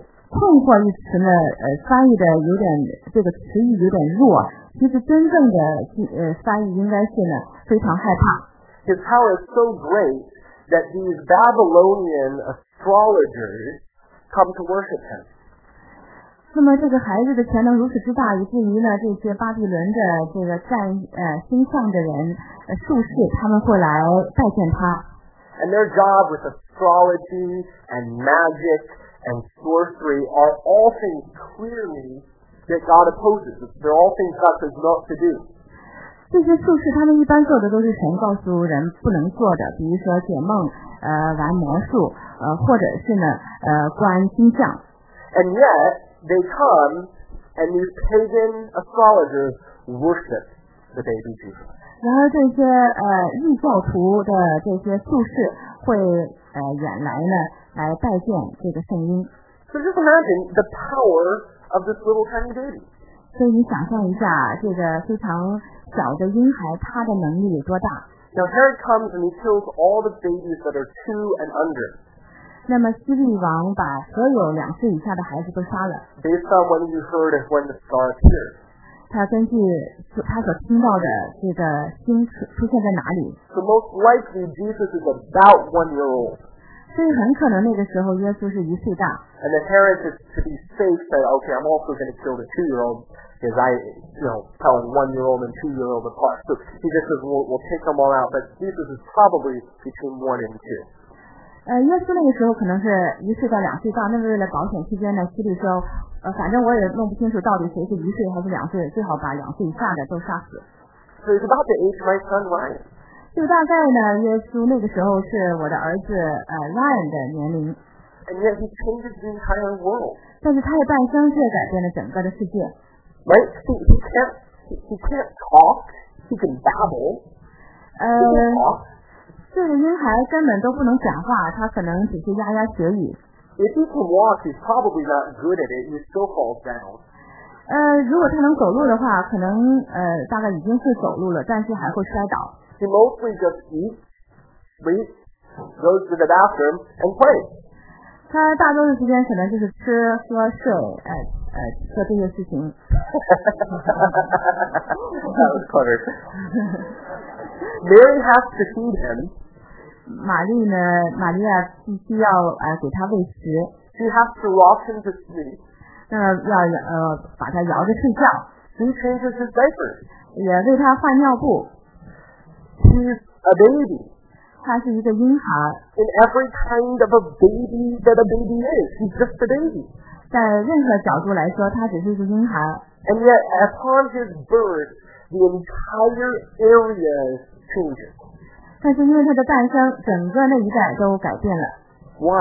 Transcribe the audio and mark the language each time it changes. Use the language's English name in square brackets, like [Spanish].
[Chinese] 困惑一词呢，翻译的有点这个词义有点弱。其实真正的翻译应该是呢，非常害怕。 [English] His power is so great that these Babylonian astrologers come to worship him. [Chinese] 那么这个孩子的潜能如此之大，以至于呢，这些巴比伦的这个占星象的人术士他们会来拜见他。 [English] And their job with astrology and magic. And sorcery are all things clearly that God opposes. They're all things God says not to do. [Chinese] 这些术士他们一般做的都是神告诉人不能做的，比如说解梦、玩魔术、或者是呢、观星象。 [English] And yet they come and these pagan astrologers worship the baby Jesus. [Chinese] 然后这些异教徒的这些术士会远来呢。来拜见这个圣婴。 [English] So just imagine the power of this little tiny baby. [Chinese] 所以你想象一下，这个非常小的婴孩，他的能力有多大 [English] ？Now Herod comes and he kills all the babies that are two and under. [Chinese] 那么希律王把所有两岁以下的孩子都杀了。 [English] Based on what you heard of when the star appeared. [Chinese] 他根据他所听到的这个星出现在哪里。 [English] So most likely Jesus is about 1 year old. [Chinese] 所以很可能那个时候耶稣是一岁大。 [English] And the parents is to be safe said, okay, I'm also going to kill the 2 year old. Because I, you know, tell a 1 year old and 2 year old apart. So he just says, we'll take them all out. But Jesus is probably between 1 and 2. [Chinese] 耶稣那个时候可能是一岁到两岁大，那是为了保险期间呢。希律说，反正我也弄不清楚到底谁是一岁还是两岁，最好把两岁以下的都杀死。 [English] So it's about the age of my son Ryan. [Chinese] 就大概呢，耶稣那个时候是我的儿子Ryan 的年龄。 [English] And yet he changes the entire world. [Chinese] 但是他的诞生却改变了整个的世界。 [English] Right? He can't talk. He can babble. He can talk. [Chinese] 这个婴孩根本都不能讲话，他可能只是牙牙学语。 [English] If he can walk, he's probably not good at it. He still falls down. [Chinese] 如果他能走路的话，可能大概已经会走路了，但是还会摔倒。 [English] He mostly just eats, sleeps, goes to the bathroom, and plays. [Chinese] 他大多数时间可能就是吃喝睡做这些事情。 [English] That was clever. Mary has to feed him. [Chinese] 玛丽呢？玛丽亚必须要给他喂食。 [English] She has to rock him to sleep. [Chinese] 那要把他摇着睡觉。 [English] She changes his diapers. [Chinese] 也为他换尿布。 [English] She's a baby. [Chinese] 他是一个婴孩。 [English] In every kind of a baby that a baby is, he's just a baby. [Chinese] 在任何角度来说，他只是个婴孩。 [English] And yet, upon his birth, the entire area changes. [Chinese] 但是因为他的诞生，整个那一带都改变了。